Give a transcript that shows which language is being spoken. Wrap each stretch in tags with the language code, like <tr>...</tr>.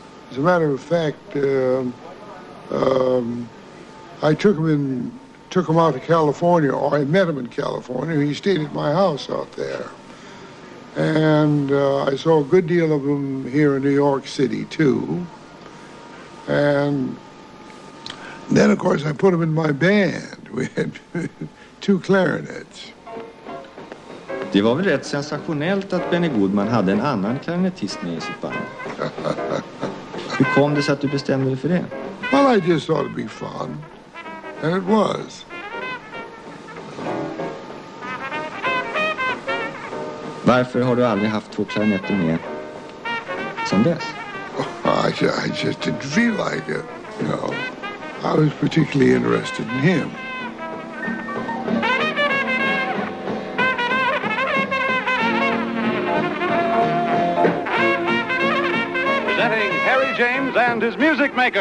<en>As a matter of fact, I took him out to California, or I met him in California. He stayed at my house out there. And I saw a good deal of him here in New York City, too. And then, of course, I put him in my band. We had... Two clarinets.</en> <sv>Det var väl rätt sensationellt att Benny Goodman hade en annan klarinettist med i sitt band. Hur kom det sig att du bestämde dig för det?</sv> <en>Well, I just thought it'd be fun. And it was.</en> <sv>Varför har du aldrig haft två klarinetter med sen dess?</sv> <en>Oh, I just didn't feel like it. You know, I was particularly interested in him. Thank you. presenting Harry James and his Music Maker.</en>